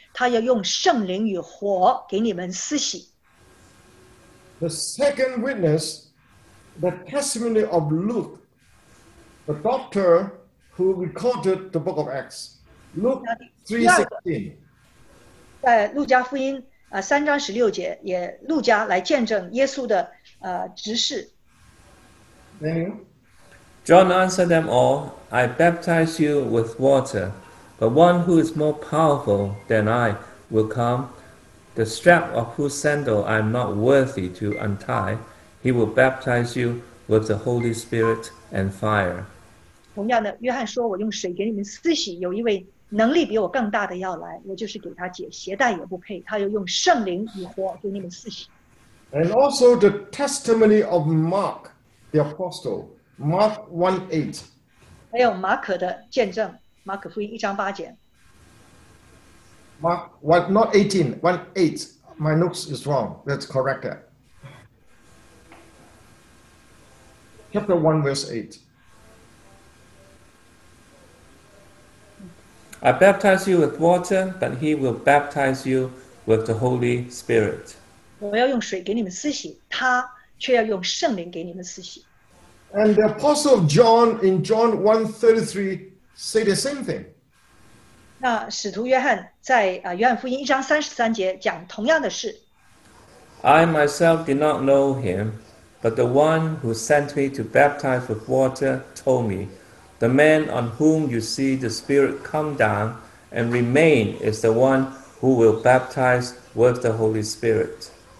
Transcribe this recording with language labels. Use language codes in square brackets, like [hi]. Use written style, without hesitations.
[zh] 是许汗说,我是用水给你们施洗,叫你们悔改,但那在我以后来的,能力比我更大,我就是给他提鞋也不配,他要用圣灵与火给你们施洗。 [en] The second witness, the testimony of Luke, the doctor who recorded the book of Acts, Luke 3:16. [zh] 在路加福音3:16节,也路加来见证耶稣的执事。 [en] John answered them all, I baptize you with water, but one who is more powerful than I will come, the strap of whose sandal I am not worthy to untie, he will baptize you with the Holy Spirit and fire. [zh] 同样的,约翰说,我用水给你们施洗,有一位 能力比我更大的要来,我就是给他解鞋带也不配,他要用圣灵与火给你们施洗。 [en] And also the testimony of Mark, the apostle, Mark 1:8. [zh] 还有马可的见证,马可福音1:8. [en] Mark, what, not 18, 1:8. My notes is wrong, let's correct that. Chapter 1:8. I baptize you with water, but he will baptize you with the Holy Spirit. [zh] 我要用水给你们施洗, [en] and the Apostle John in John 1:33 say the same thing. [zh] 那使徒约翰在, 约翰福音1:33节讲同样的事。 [en] I myself did not know him, but the one who sent me to baptize with water told me, the man on whom you see the Spirit come down and remain is the one who will baptize with the Holy Spirit.